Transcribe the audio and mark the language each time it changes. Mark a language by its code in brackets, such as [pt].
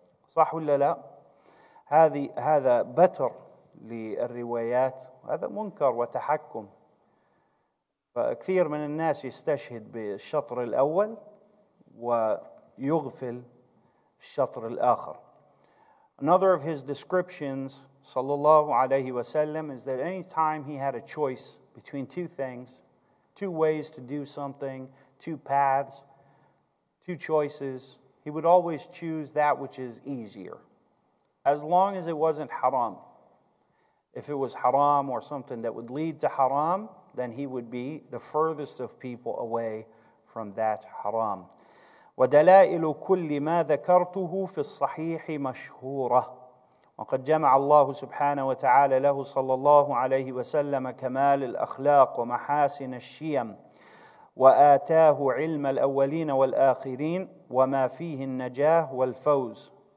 [ar] صح ولا لا؟ هذا بتر للروايات، هذا منكر وتحكم. فكثير من الناس يستشهد بالشطر الأول ويغفل الشطر الآخر. [en] Another of his descriptions, sallallahu alayhi wa sallam, is that any time he had a choice between two things, two ways to do something, two paths, two choices, he would always choose that which is easier. As long as it wasn't haram. If it was haram or something that would lead to haram, then he would be the furthest of people away from that haram. [ar] ودلائل كل ما ذكرته في الصحيح مشهورة وقد جمع الله سبحانه وتعالى له صلى الله عليه وسلم كمال الأخلاق ومحاسن الشيم وآتاه علم الأولين والآخرين وما فيه النجاة والفوز